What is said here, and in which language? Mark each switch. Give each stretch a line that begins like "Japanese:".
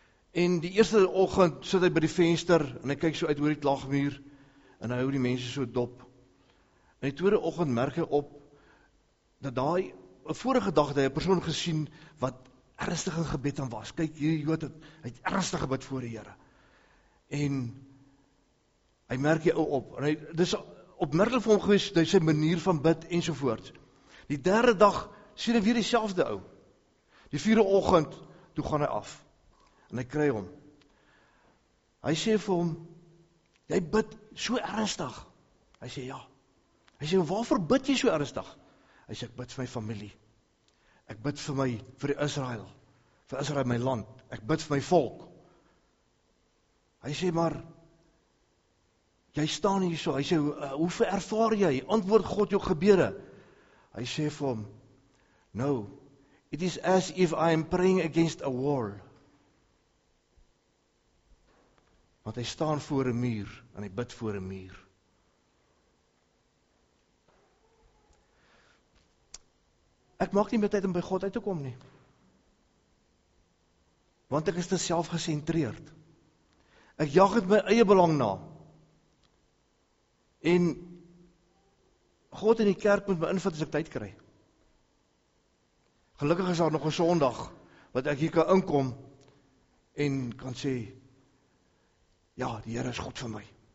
Afrikaans: En die eerste oggend sit hy by die venster, en hy kyk so uit oor die klaagmuur, en hy hou die mense so dop. En die tweede oggend merk hy op, dat daai, vorige dag het hy 'n persoon gesien, wat ernstig in gebed aan was. Kyk, hierdie Jood het ernstig gebid voor die Here. En hy merk hy op, en dis opmerkelijk vir hom gewees, dat hy sy manier van bid, en sovoort. Die derde dag sien hy weer dieselfde ou. Die vierde oggend toe gaan hy af. En hy kry hom. Hy sê vir hom, jy bid so ernstig. Hy sê, ja. Hy sê, waarvoor bid jy so ernstig? Hy sê, ek bid vir my familie. Ek bid vir my, vir die Israel. Vir Israel my land. Ek bid vir my volk. Hy sê, maar, jy staan hier so. Hy sê, hoe ver ervaar jy? Antwoord God jou gebede. Hy sê vir hom,
English: no, it is as if I am praying against a wall.
Afrikaans: Want hy staan voor een muur, en hy bid voor een muur. Ek maak nie meer tyd om by God uit te kom nie. Want ek is te self gesentreerd. Ek jag het my eie belang na. En God in die kerk moet my invat as ek tyd kry. Gelukkig is daar nog 'n Sondag, wat ek hier kan inkom, en kan sê, ja, die Heere is goed vir my.